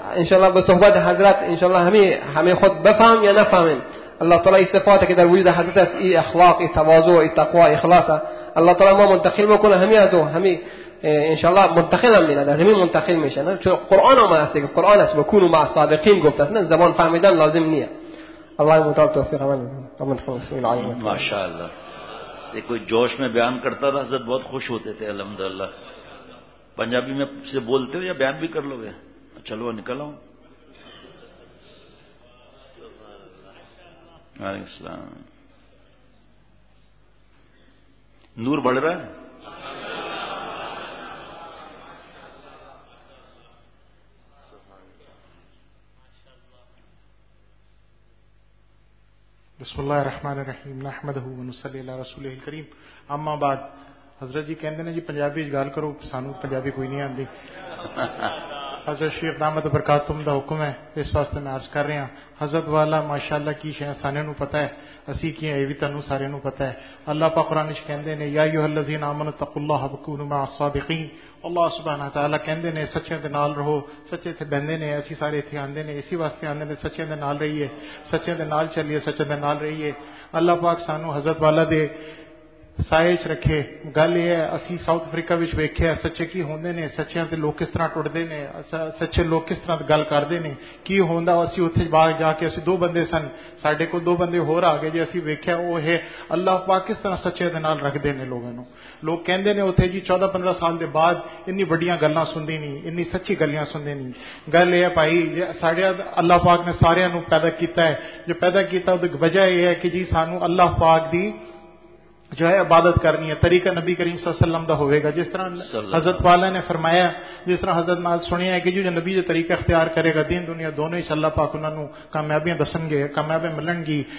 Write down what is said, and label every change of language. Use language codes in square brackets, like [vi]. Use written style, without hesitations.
[fa] ان شاء الله به صحبت حضرت ان شاء الله همه خود بفهم یا نفهمیم، الله تعالی این صفاتی که در وجود حضرت است، ای اخلاق، ای تواضع، ای تقوا، ای اخلاص، الله تعالی ما منتقل بکنه همه ازو، همه ان شاء الله منتقل هم میشه، همه منتقل میشن، چون قرآن هم هست که قرآن است بکونو مع الصادقین گفته، نه زبان فهمیدن لازم نیه. الله متعال توفیق عمل تمام خلصین علی ما شاء الله. [ur] دیکھو جوش میں بیان کرتا تھا حضرت بہت خوش ہوتے تھے الحمدللہ. پنجابی میں سے بولتے ہو یا بیان بھی کر لو گے؟ چلو نکل آؤں. وعلیکم السلام. نور بڑھ رہا ہے. [ar] بسم اللہ الرحمن الرحیم، نحمده و نصلی علی رسوله الکریم، اما بعد. [pa] حضرت جی کہندے نے جی پنجابی وچ گل کرو، سانوں پنجابی کوئی نہیں آندی. حضرت شیخ دامت برکاتہم دا حکم ہے، اس واسطے میں عرض کر رہا ہوں. حضرت والا ماشاءاللہ کی شے سانے نو پتہ ہے، اسی کی ہے وی تانوں سارے نو پتہ ہے. اللہ پاک قرآن وچ کہندے نے [ar] یا ایھا الذین آمنوا اتقوا اللہ وکونوا مع الصادقین. [pa] اللہ سبحانہ تعالی کہندے نے سچے دے نال رہو، سچے تے بندے نے اسی سارے ایتھے آندے نے، اسی واسطے آندے نے سچے دے نال رہیے، سچے دے نال چلیے، سچے دے نال رہیے. اللہ پاک سانوں حضرت والا دے سائے چ رکھے. گل یہ ہے اسی ساؤتھ افریقہ وچ ویکھیا سچے کی ہوندے نے، سچیاں تے لوک کس طرح ٹٹدے نے، سچے لوک کس طرح گل کردے نے، کی ہوندا. اسی اوتھے باہر جا کے اسی دو بندے سن، ساڈے کو دو بندے ہور آ گئے جی اسی ویکھیا، او ہے اللہ پاک کس طرح سچے دے نال رکھدے نے لوگوں نو. لوگ کہندے نے اوتھے جی 14-15 سال دے بعد انی وڈیاں گلاں سندی نہیں، انی سچی گلیاں سندی نہیں. گل یہ ہے بھائی، ساڈے اللہ پاک نے سارے نو پیدا کیتا ہے، جو پیدا کیتا او دی وجہ یہ ہے کہ جی سانو اللہ پاک دی جو ہے عبادت کرنی ہے، طریقہ نبی کریم صلی اللہ علیہ وسلم دا ہوئے گا. جس طرح حضرت والا نے فرمایا، جس طرح حضرت نال سنیا ہے کہ جو نبی جو طریقہ اختیار کرے گا دین دنیا دونوں ہی اللہ پاک انہاں نو کامیابیاں دسن گے، کامیابی ملن گی.